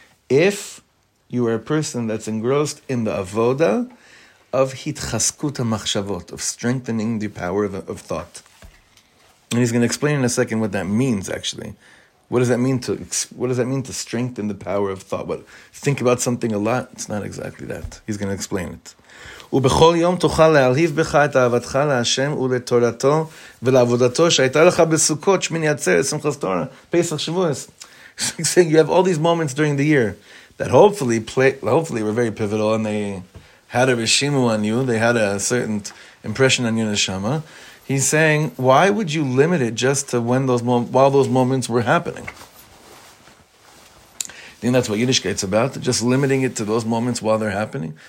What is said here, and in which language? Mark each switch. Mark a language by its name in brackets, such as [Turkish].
[English] If you are a person that's engrossed in the avodah of hitchaskut ha-machshavot, of strengthening the power of thought. And he's going to explain in a second what that means, actually. What does that mean to strengthen the power of thought? What, think about something a lot? It's not exactly that. He's going to explain it. [Hebrew] ובכל יום תוכל להלהיב בך את אהבתך להשם ולתורתו ולעבודתו שהייתה לך בסוכות שמיני עצרת שמחת תורה פסח שבועס. [English] So you have all these moments during the year that hopefully were very pivotal, and they had a reshimu on you, they had a certain impression on your neshama. He's saying, why would you limit it just to when those while those moments were happening? I think that's what Yiddishkeit's about, just limiting it to those moments while they're happening.